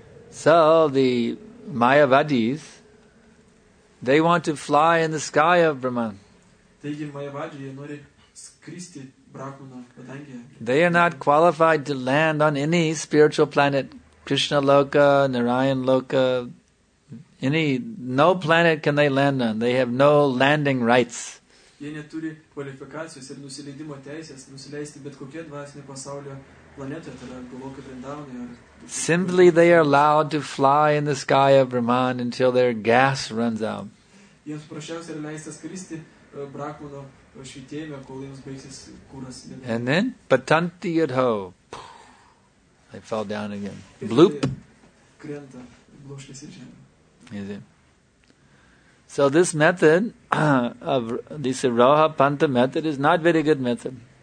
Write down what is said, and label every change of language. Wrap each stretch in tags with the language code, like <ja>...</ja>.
<en>So the Mayavadis, they want to fly in the sky of Brahman. They are not qualified to land on any spiritual planet, Krishna Loka, Narayan Loka, no planet can they land on. They have no landing rights.</en> <lt>Jie neturi kvalifikacijos ir nusileidimo teisės nusileisti bet kokie dvasinio pasaulio planetoje, tai yra Goloka Vrindavanai.</lt> <en>Simply they are allowed to fly in the sky of Brahman until their gas runs out.</en> <lt>Jiems paprasčiausiai yra leista skristi Brahmano švytėjime, kol jiems baigsis kūras.</lt> <en>And then,</en> <sa>patanti yadho,</sa> <en>they fall down again. Bloop.</en> <lt>Krenta, bloškėsi žemė.</lt> <en>Is it? So this method of this Roha Panta method is not very good method.</en>